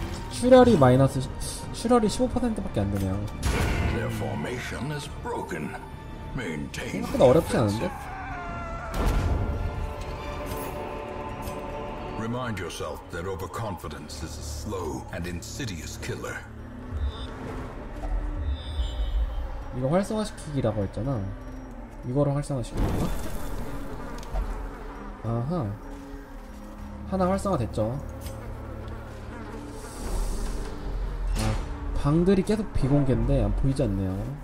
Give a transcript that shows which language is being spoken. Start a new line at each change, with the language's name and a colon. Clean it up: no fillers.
Korean: 출혈이 마이너스 출혈이 15%밖에 안 되네요.
English: Their formation is broken. Maintain
Korean: 생각보다 어렵지 않은데?
English: offensive. Remind yourself that overconfidence is a slow and insidious killer.
Korean: 이거 활성화시키기라고 했잖아. 이거를 활성화시키는 건가? 아하. 하나 활성화 됐죠. 아, 방들이 계속 비공개인데 안 보이지 않네요.